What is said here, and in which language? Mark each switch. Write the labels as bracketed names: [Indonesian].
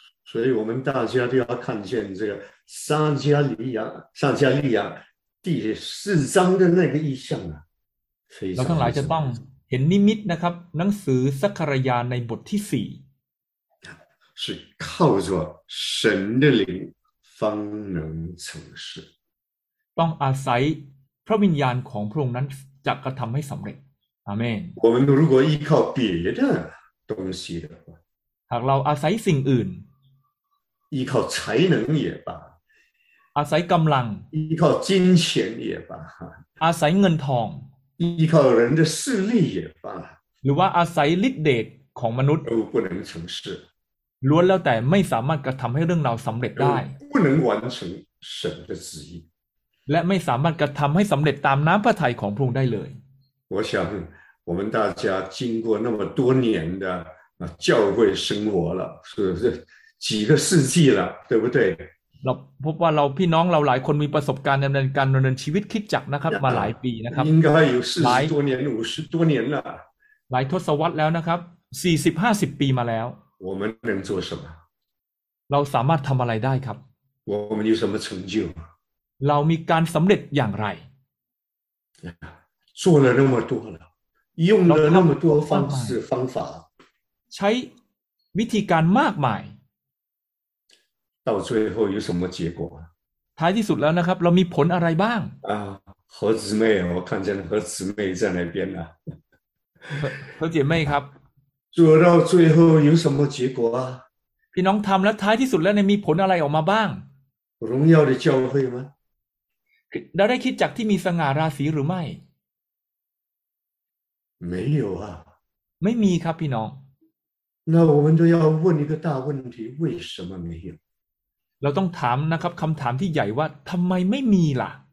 [Chinese] 所以我们大家都要看见这个撒加利亚撒加利亚第四章的那个意象啊 [Thai] เราทั้งหลายจะต้องเห็นนิมิตนะครับหนังสือสักการยาในบทที่4 [Chinese] 是靠着神的灵方能成事 [Thai] ต้องอาศัยพระวิญญาณของพระองค์นั้นจะกระทำให้สำเร็จอาเมน [Chinese] 我们如果依靠别的东西的话 [Thai] หากเราอาศัยสิ่งอื่น [Chinese] 依靠才能也罢 [Thai] อาศัยกำลัง [Chinese] 依靠金钱也罢 [Thai] อาศัยเงินทอง [Chinese] 依靠人的势力也罢 [Thai] หรือว่าอาศัยฤทธิ์เดชของมนุษย์ [Chinese] 都不能成事 [Thai] ล้วนแล้วแต่ไม่สามารถกระทำให้เรื่องเราสำเร็จได้ [Chinese] 不能完成神的旨意 [Thai] และไม่สามารถกระทำให้สำเร็จตามน้ำพระทัยของพระองค์ได้เลย [Chinese] 我想我们大家经过那么多年的教会生活了是不是几个世纪了对不对 [Thai] เราพบว่าเราพี่น้องเราหลายคนมีประสบการณ์ดำเนินการดำเนินชีวิตคริสตจักรนะครับมาหลายปีนะครับ [Chinese] 应该有40多年50多年了 [Thai] หลายทศวรรษแล้วนะครับ40 50ปีมาแล้ว [Chinese] 我们能做什么 [Thai] เราสามารถทำอะไรได้ครับ [Chinese] 我们有什么成就 [Thai] เรามีการสำเร็จอย่างไร [Chinese] 做了那么多了用了那么多方式方法 [Thai] ใช้วิธีการมากมาย [Chinese] 到最后有什么结果 [Thai] ท้ายที่สุดแล้วนะครับเรามีผลอะไรบ้าง [Chinese] 何姊妹我看见何姊妹在那边啊 [Thai] 何姐妹ครับ [Chinese] 做到最后有什么结果 [Thai] พี่น้องทำแล้วท้ายที่สุดแล้วเนี่ยมีผลอะไรออกมาบ้าง [Chinese] 荣耀的教会吗 [Thai] เราได้คิดจักที่มีสง่าราศีหรือไม่ [Chinese] 没有啊 [Thai] ไม่มีครับพี่น้อง [Chinese] 那我们都要问一个大问题为什么没有 [Thai] เราต้องถามนะครับคำถามที่ใหญ่ว่าทำไมไม่มีล่ะ